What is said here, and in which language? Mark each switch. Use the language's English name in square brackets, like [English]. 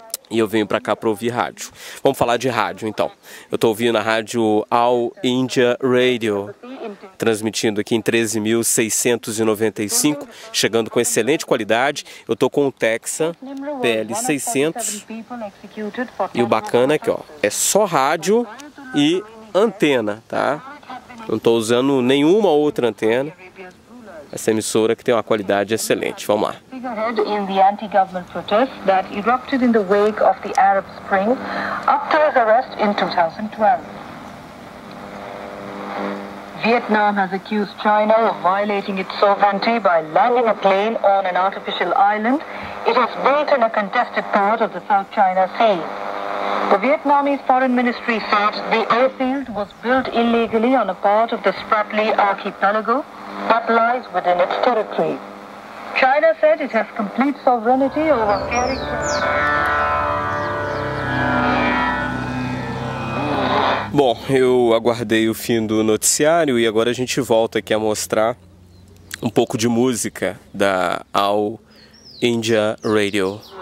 [Portuguese] E eu venho pra cá pra ouvir rádio. Vamos falar de rádio, então. Eu tô ouvindo a rádio All India Radio, transmitindo aqui em 13.695, chegando com excelente qualidade. Eu tô com o Texan PL600. E o bacana é que, ó, é só rádio e antena, tá? Não tô usando nenhuma outra antena. Essa emissora que tem uma qualidade excelente. Vamos lá. [English] In the anti-government protests that erupted in the wake of the Arab Spring after his arrest in 2012. Vietnam has accused China of violating its sovereignty by landing a plane on an artificial island. It is built in a contested part of the South China Sea. The Vietnamese Foreign Ministry said the airfield was built illegally on a part of the Spratly archipelago that lies within its territory. China said it has complete sovereignty over carrying. [Portuguese] Bom, eu aguardei o fim do noticiário e agora a gente volta aqui a mostrar um pouco de música da All India Radio.